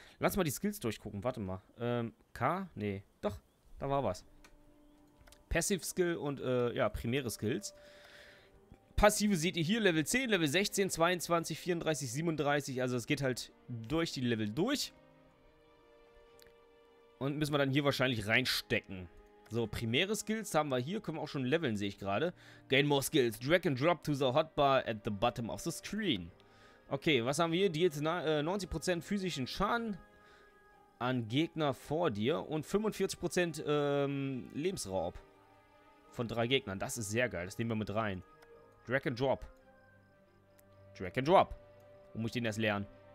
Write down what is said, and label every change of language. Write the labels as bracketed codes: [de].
[de] Lass mal die Skills durchgucken, warte mal. K? Nee, doch, da war was. Passive Skill und, primäre Skills. Passive seht ihr hier, Level 10, Level 16, 22, 34, 37, also es geht halt durch die Level durch. Und müssen wir dann hier wahrscheinlich reinstecken. So, primäre Skills haben wir hier, können wir auch schon leveln, sehe ich gerade. [en] Gain more Skills, drag and drop to the hotbar at the bottom of the screen. [de] Okay, was haben wir hier? Deals 90% physischen Schaden an Gegner vor dir und 45% Lebensraub von drei Gegnern. Das ist sehr geil, das nehmen wir mit rein. Drag and Drop. Drag and Drop. Wo muss ich den erst lernen?